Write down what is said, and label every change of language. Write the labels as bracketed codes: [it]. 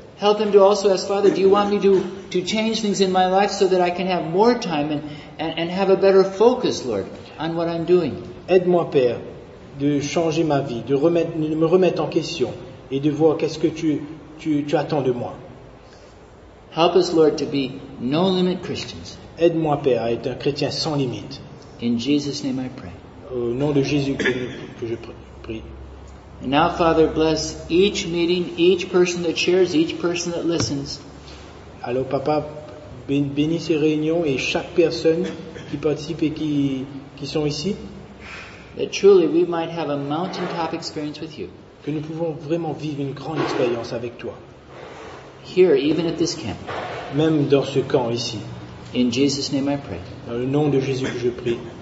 [en] Help them to also ask, Father, do you want me to change things in my life so that I can have more time and have a better focus, Lord, on what I'm doing? [fr] Aide-moi, Père, de changer ma vie, de me remettre en question et de voir qu'est-ce que tu attends de moi. [en] Help us, Lord, to be no limit Christians. [fr] Aide-moi, Père, à être un chrétien sans limite. [en] In Jesus' name I pray. [fr] Au nom de Jésus que je prie. [en] And now, Father, bless each meeting, each person that shares, each person that listens. [fr] Alors, Papa, bénis ces réunions et chaque personne qui participe et qui sont ici. [en] That truly we might have a mountaintop experience with you. [fr] Que nous pouvons vraiment vivre une grande expérience avec toi. [en] Here, even at this camp. [fr] Même dans ce camp ici. [en] In Jesus' name I pray. [fr] Dans le nom de Jésus que je prie.